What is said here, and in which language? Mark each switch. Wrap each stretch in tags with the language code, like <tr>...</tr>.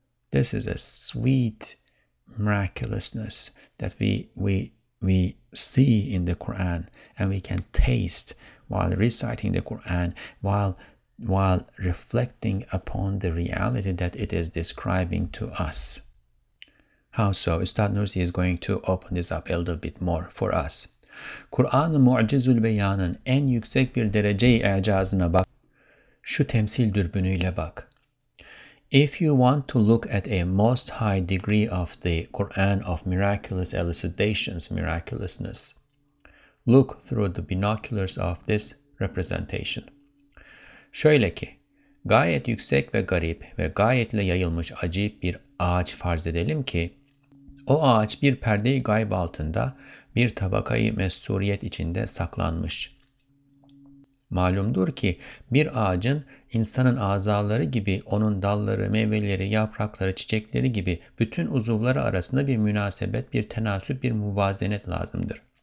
<en>This is a sweet miraculousness that we see in the Quran, and we can taste while reciting the Quran, while reflecting upon the reality that it is describing to us. How so? Ustad Nursi is going to open this up a little bit more for us.</en> <tr>Kur'an-ı Mu'cizül Beyan'ın en yüksek bir derece-i i'cazına bak. Şu temsil dürbünüyle bak.</tr> <en>If you want to look at a most high degree of the Quran of miraculous elucidations, miraculousness, look through the binoculars of this representation.</en> <tr>Şöyle ki, gayet yüksek ve garip ve gayetle yayılmış acip bir ağaç farz edelim ki, o ağaç bir perde-i gayb altında bir tabakayı mesturiyet içinde saklanmış. Malumdur ki, bir ağacın insanın azaları gibi onun dalları, meyveleri, yaprakları, çiçekleri gibi bütün uzuvları arasında bir münasebet, bir tenasüp, bir muvazenet lazımdır.</tr>